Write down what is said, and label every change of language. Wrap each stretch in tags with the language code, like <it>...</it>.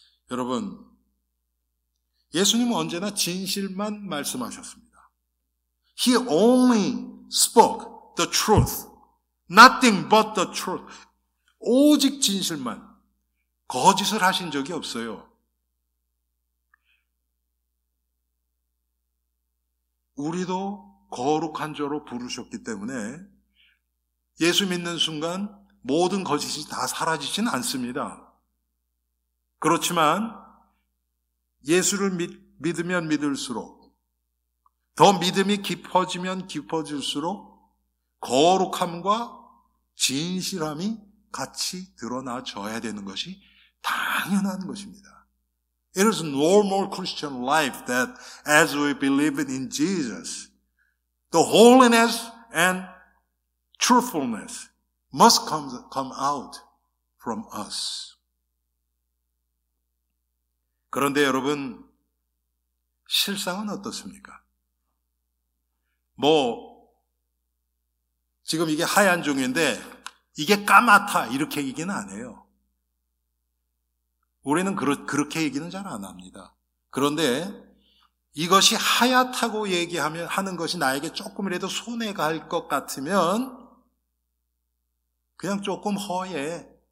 <ko>여러분, 예수님은 언제나 진실만 말씀하셨습니다.</ko> <en>He only spoke the truth, nothing but the truth.</en> <ko>오직 진실만. 거짓을 하신 적이 없어요. 우리도 거룩한 자로 부르셨기 때문에 예수 믿는 순간 모든 거짓이 다 사라지진 않습니다. 그렇지만 예수를 믿으면 믿을수록 더 믿음이 깊어지면 깊어질수록 거룩함과 진실함이 같이 드러나져야 되는 것이 당연한 것입니다.</ko> <en>It is a normal Christian life that as we believe in Jesus, the holiness and truthfulness must come out from us.</en> <ko>그런데 여러분, 실상은 어떻습니까? 뭐, 지금 이게 하얀 종이인데, 이게 까맣다, 이렇게 얘기는 안 해요. 우리는 그렇게 얘기는 잘 안 합니다. 그런데 이것이 하얗다고 얘기하면 하는 것이 나에게 조금이라도 손해가 할 것 같으면 그냥 조금 허해.</ko>